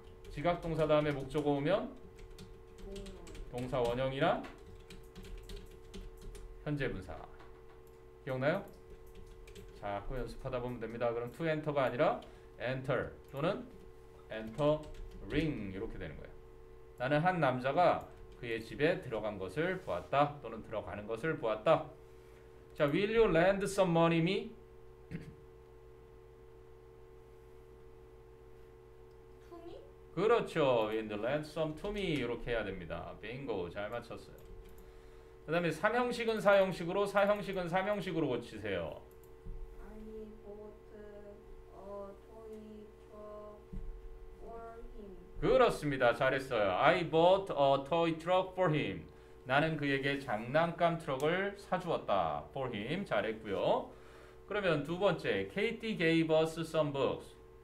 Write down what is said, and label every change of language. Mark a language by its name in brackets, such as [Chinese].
[Korean] 지각동사 다음에 목적어 오면 동사 원형이랑 현재분사. 기억나요? 자꾸 연습하다 보면 됩니다. 그럼 to enter가 아니라 enter 또는 entering 이렇게 되는 거예요. 나는 한 남자가 그의 집에 들어간 것을 보았다 또는 들어가는 것을 보았다. [English] 자, will you lend some money me? [Korean] 그렇죠. [English] Will you lend some to me? [Korean] 이렇게 해야 됩니다. [English] Bingo. [Korean] 잘 맞췄어요. 그 다음에 삼형식은 사형식으로, 사형식은 삼형식으로 고치세요. [English] I bought a toy truck for him. [Korean] 그렇습니다. 잘했어요. [English] I bought a toy truck for him. [Korean] 나는 그에게 장난감 트럭을 사주었다. [English] For him. [Korean] 잘했고요. 그러면 두 번째. [English] Katie gave us some books.